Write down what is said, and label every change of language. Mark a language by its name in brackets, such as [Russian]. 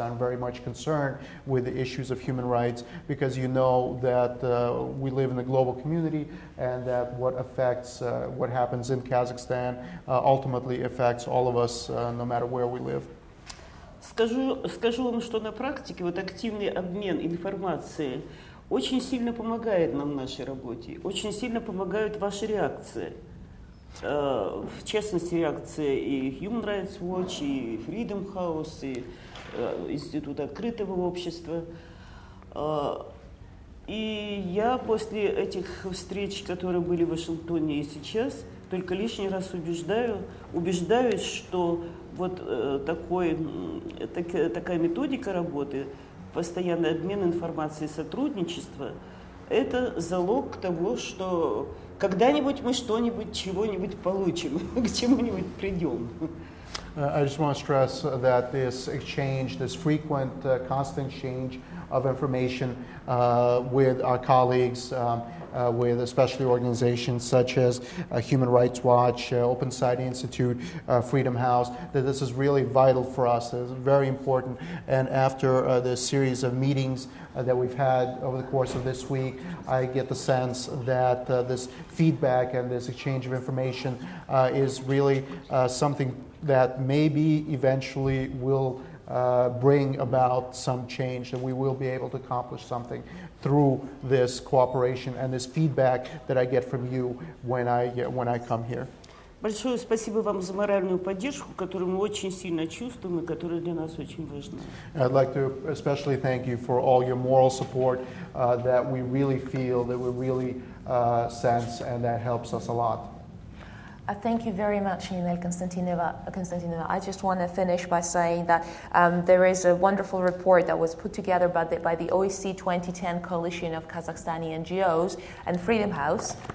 [English] I'm very much concerned with the issues of human rights because you know that we live in a global community and that what affects what happens in Kazakhstan ultimately affects all of us no matter where we live. [Russian] Скажу вам, что на практике вот активный обмен информацией очень сильно помогает нам в нашей работе, очень сильно помогают ваши реакции. В частности, реакции и Human Rights Watch, и Freedom House, и Институт открытого общества. И я после этих встреч, которые были в Вашингтоне и сейчас, только лишний раз убеждаюсь, что вот такая методика работы, постоянный обмен информацией, сотрудничество, это залог того, что когда-нибудь мы что-нибудь, чего-нибудь получим, к чему-нибудь придем. [English] I just want to stress that this exchange, this frequent, constant exchange of information with our colleagues, with especially organizations such as Human Rights Watch, Open Society Institute, Freedom House, that this is really vital for us. This is very important. And after the series of meetings that we've had over the course of this week, I get the sense that this feedback and this exchange of information is really something that maybe eventually will bring about some change, that we will be able to accomplish something through this cooperation and this feedback that I get from you when I come here. [Russian] Большое спасибо вам за моральную поддержку, которую мы очень сильно чувствуем и которая для нас очень важна. [English] I'd like to especially thank you for all your moral support that we really feel, that we really sense, and that helps us a lot. Thank you very much, Ninel Konstantinova. I just want to finish by saying that there is a wonderful report that was put together by the OEC 2010 Coalition of Kazakhstani NGOs and Freedom House.